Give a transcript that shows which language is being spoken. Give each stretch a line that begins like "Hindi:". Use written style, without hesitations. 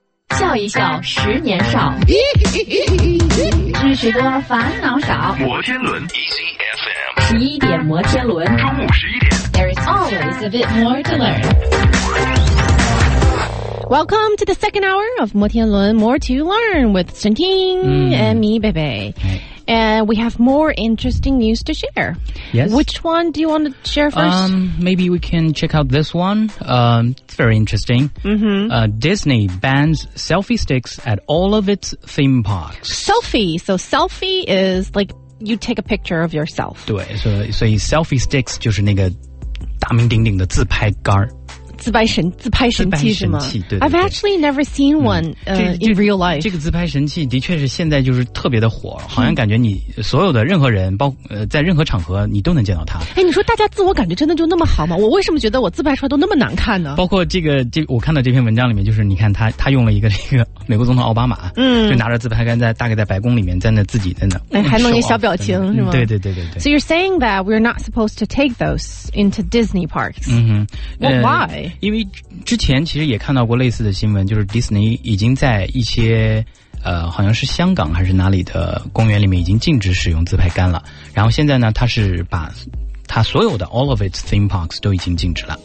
Chinese: 笑一笑，十年少，知识多，烦恼少。摩天轮 ECFM 十一点，摩天轮中午十一点
English: ，There is always a bit more to learn. Welcome to the second hour of 摩天轮 More to Learn with 沈婷 and me, Bebe. And we have more interesting news to share. Yes. Which one do you want to share first? Maybe we can check out this one. It's very interesting. Mm-hmm. Disney bans selfie sticks at all of its theme parks. Selfie. So selfie is like you take a picture of yourself.
Chinese: 对，所以
English: selfie sticks
Chinese: 就是那个大名鼎鼎的自拍杆。自拍神器是吗？对对对，
English: I've actually never seen one in real life.
Chinese: 这个自拍神器的确是现在就是特别的火，好像感觉你所有的任何人，包括在任何场合，你都能见到它。哎，你说大家自我感觉真的就那么好吗？我为什么觉得我自拍出来都那么难看呢？包括这个，我看到这篇文章里面，就是你看他用了一个美国总统奥巴马，就拿着自拍杆在大概在白宫里面，在那自己在那，还弄一小表情是吗？对对对对对。
English: So you're saying that we're not supposed to take those into Disney parks?
Chinese: 嗯哼。
English: Well, why?
Chinese: 因为之前其实也看到过类似的新闻，就是迪士尼已经在一些好像是香港还是哪里的公园里面已经禁止使用自拍杆了，然后现在呢它是把它所有的
English: all of its theme parks
Chinese: 都已经禁止了。